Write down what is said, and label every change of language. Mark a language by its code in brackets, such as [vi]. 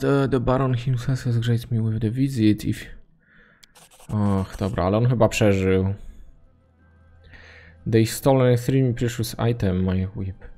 [en] The Baron himself has graced me with the visit if... [pl] Och, dobra, ale on chyba przeżył. [en] They stole a three precious item, my whip.